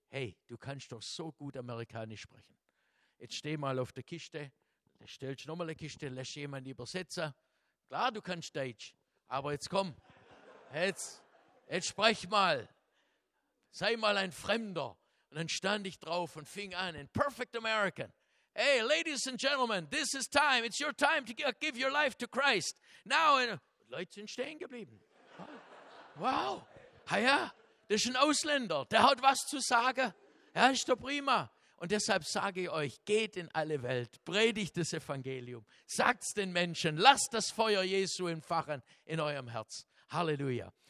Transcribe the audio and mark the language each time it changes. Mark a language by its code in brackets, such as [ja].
[de] Hey, du kannst doch so gut Amerikanisch sprechen. Jetzt steh mal auf der Kiste, stellst nochmal eine Kiste, lässt jemanden übersetzen. Klar, du kannst Deutsch, aber jetzt komm. Jetzt sprech mal. Sei mal ein Fremder. Und dann stand ich drauf und fing an, [en] in perfect American. Hey, ladies and gentlemen, this is time. It's your time to give your life to Christ. [de] Now, Leute sind stehen geblieben. Wow. Haja. Das ist ein Ausländer, der hat was zu sagen. Er ist doch prima. Und deshalb sage ich euch, geht in alle Welt, predigt das Evangelium, sagt es den Menschen, lasst das Feuer Jesu entfachen in eurem Herz. Halleluja.